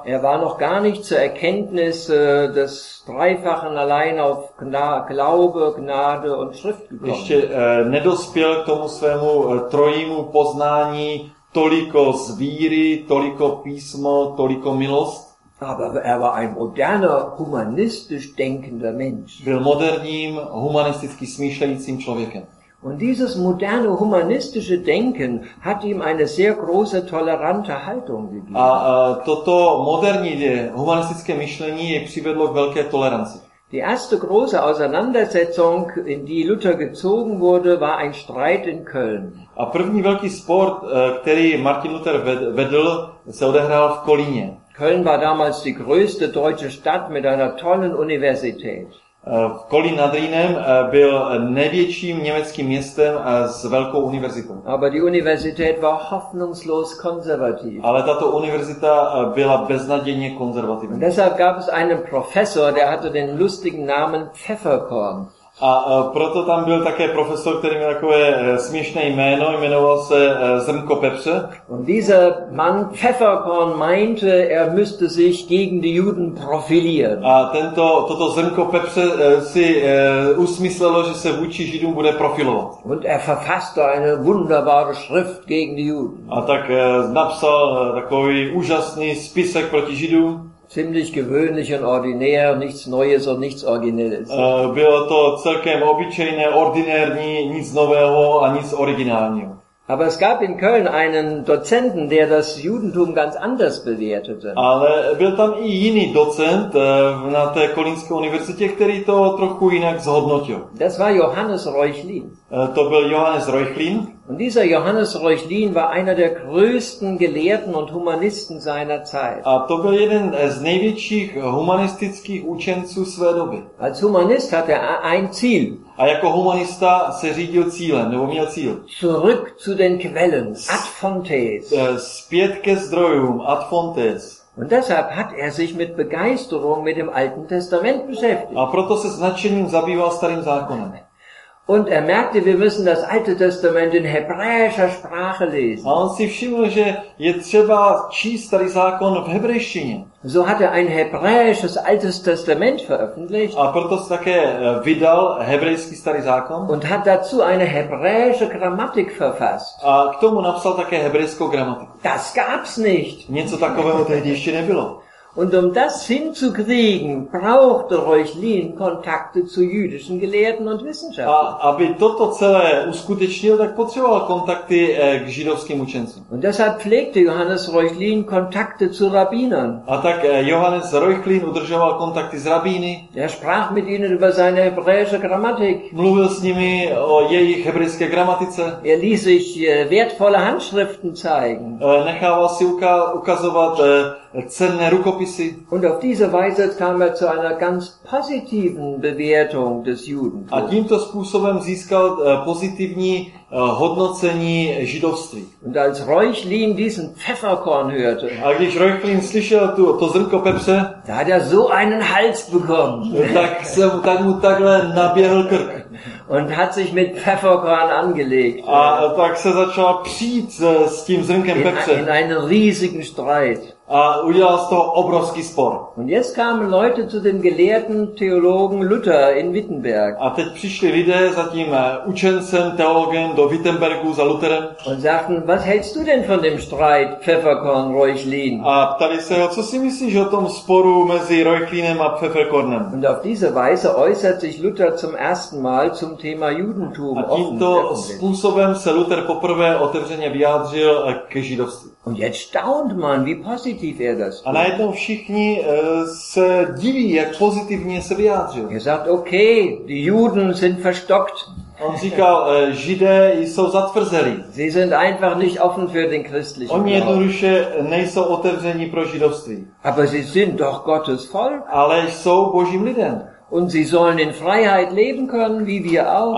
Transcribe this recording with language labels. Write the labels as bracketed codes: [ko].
[de] Er war noch gar nicht zur Erkenntnis des Dreifachen allein auf Glaube, Gnade und Schrift gekommen. [cs] Ještě nedospěl k tomu svému trojímu poznání toliko z víry, toliko písmo, toliko milost. [de] Aber er war ein moderner, humanistisch denkender Mensch. [cs] Byl moderním, humanisticky smýšlejícím člověkem. [de] Und dieses moderne, humanistische Denken hat ihm eine sehr große, tolerante Haltung gegeben. [cs] A toto moderní, humanistické myšlení je přivedlo k velké toleranci. [de] Die erste große Auseinandersetzung, in die Luther gezogen wurde, war ein Streit in Köln. [cs] A první velký spor, který Martin Luther vedl, se odehrál v Kolíně. [de] Köln war damals die größte deutsche Stadt mit einer tollen Universität. [cs] Kolín nad Rýnem byl největším německým městem s velkou univerzitou. [de] Aber die Universität war hoffnungslos konservativ. [cs] Ale tato univerzita byla beznadějně konzervativní. [de] Und deshalb gab es einen Professor, der hatte den lustigen Namen Pfefferkorn. [cs] A proto tam byl také profesor, který měl takové směšné jméno, jmenoval se Zrnko Pepře. [de] Und dieser Mann Pfefferkorn meinte, er müsste sich gegen die Juden profilieren. [cs] A toto Zrnko Pepře si usmyslelo, že se vůči Židům bude profilovat. [de] Und er verfasste eine wunderbare Schrift gegen die Juden. [cs] A tak napsal takový úžasný spisek proti Židům. [de] Ziemlich gewöhnlich und ordinär, nichts Neues und nichts Originelles. [cs] Bylo to celkem obyčejné, ordinární, nic nového a nic originálního. [de] Aber es gab in Köln einen Dozenten, der das Judentum ganz anders bewertete. [cs] Ale byl tam i jiný docent na té kolínské univerzitě, který to trochu jinak zhodnotil. [de] Das war Johannes Reuchlin. [cs] To byl Johannes Reuchlin. [de] Und dieser Johannes Reuchlin war einer der größten Gelehrten und Humanisten seiner Zeit. [cs] A to byl jeden z největších humanistických učenců své doby. [de] Als Humanist hat er ein Ziel. [cs] A jako humanista se řídil cílem, nebo měl cíl. [de] Zurück zu den Quellen, ad fontes. [cs] Zpět ke zdrojům, ad fontes. [de] Und deshalb hat er sich mit Begeisterung mit dem Alten Testament beschäftigt. [cs] A proto se s nadšením zabýval starým zákonem. [de] Und er merkte, wir müssen das Alte Testament in hebräischer Sprache lesen. [cs] A on si všiml, že je třeba číst starý zákon v hebrejštině. [de] So hat er ein hebräisches Altes Testament veröffentlicht. [cs] A proto si také vydal hebrejský starý zákon. [de] Und hat dazu eine hebräische Grammatik verfasst. [cs] A k tomu napsal také hebrejskou gramatiku. [de] Das gab's nicht. [cs] Něco takového tehdy ještě nebylo. [de] Und um das hinzukriegen, brauchte Reuchlin Kontakte zu jüdischen Gelehrten und Wissenschaftlern. [cs] Aby toto celé uskutečnil, tak potřeboval kontakty k židovským učencům. [de] Und deshalb pflegte Johannes Reuchlin Kontakte zu Rabbinern. [cs] A tak Johannes Reuchlin udržoval kontakty s rabíny. [de] Er sprach mit ihnen über seine hebräische Grammatik. [cs] Mluvil s nimi o jejich hebrejské gramatice. [de] Er ließ sich wertvolle Handschriften zeigen. [cs] Nechával si ukazovat cenné rukopisy. [de] Und auf diese Weise kam er zu einer ganz positiven Bewertung des Judentums. [cs] A tímto způsobem získal pozitivní hodnocení židovství. [de] Und als Reuchlin diesen Pfefferkorn hörte, [cs] a když Reuchlin slyšel to zrnko pepře, [de] da hat er so einen Hals bekommen. [cs] Tak se mu takhle naběhl krk. [de] Und hat sich mit Pfefferkorn angelegt. [cs] A tak se začal přít s tím zrnkem pepře. [de] In einen riesigen Streit. [cs] A udělal z toho obrovský spor. [de] Und jetzt kamen Leute zu dem gelehrten Theologen Luther in Wittenberg. [cs] A teď přišli lidé za tím učencem, teologem do Wittenbergu za Lutherem. [de] Und sagten, was hältst du denn von dem Streit Pfefferkorn Reuchlin? [cs] A ptali se ho, co si myslíš o tom sporu mezi Reuchlinem a Pfefferkornem? [de] Und auf diese Weise äußert sich Luther zum ersten Mal zum Thema Judentum offen. [cs] A tímto způsobem se Luther poprvé otevřeně vyjádřil k židovství. [de] Und jetzt staunt man, wie positiv er das tut. [cs] A najednou všichni se diví, jak pozitivně se vyjádřil. [de] Er sagt, okay, die Juden sind verstockt. [cs] On říkal, Židé jsou zatvrzelí. [de] Sie sind einfach nicht offen für den christlichen Glauben. [cs] Oni jednoduše nejsou otevření pro židovství. [de] Aber sie sind doch Gottes Volk. [cs] Ale jsou Božím lidem. [de] Und sie sollen in Freiheit leben können, wie wir auch.